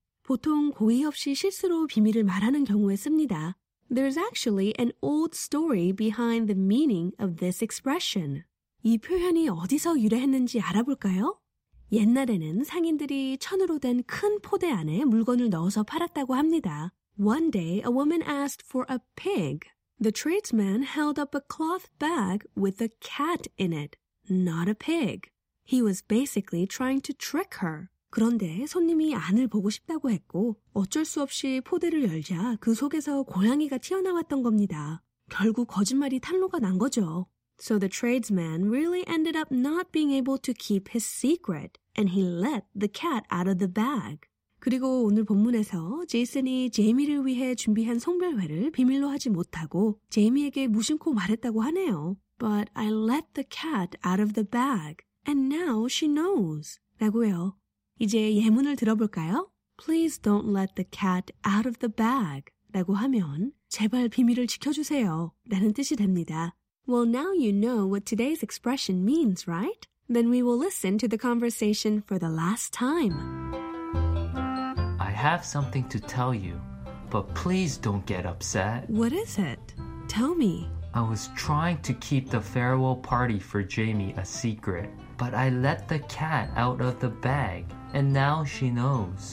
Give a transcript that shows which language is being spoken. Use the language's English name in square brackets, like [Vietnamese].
[Korean] 보통 고의 없이 실수로 비밀을 말하는 경우에 씁니다. [English] There's actually an old story behind the meaning of this expression. [Korean] 이 표현이 어디서 유래했는지 알아볼까요? 옛날에는 상인들이 천으로 된 큰 포대 안에 물건을 넣어서 팔았다고 합니다. [English] One day, a woman asked for a pig. The tradesman held up a cloth bag with a cat in it. Not a pig. He was basically trying to trick her. [Korean] 그런데 손님이 안을 보고 싶다고 했고 어쩔 수 없이 포대를 열자 그 속에서 고양이가 튀어나왔던 겁니다. 결국 거짓말이 탄로가 난 거죠. [English] So the tradesman really ended up not being able to keep his secret and he let the cat out of the bag. [Korean] 그리고 오늘 본문에서 제이슨이 제이미를 위해 준비한 송별회를 비밀로 하지 못하고 제이미에게 무심코 말했다고 하네요. [English] But I let the cat out of the bag, and now she knows. [Korean] 라고요. 이제 예문을 들어볼까요? [English] Please don't let the cat out of the bag. [Korean] 라고 하면 제발 비밀을 지켜주세요. 라는 뜻이 됩니다. [English] Well, now you know what today's expression means, right? Then we will listen to the conversation for the last time. I have something to tell you, but please don't get upset. What is it? Tell me. I was trying to keep the farewell party for Jamie a secret, but I let the cat out of the bag, and now she knows.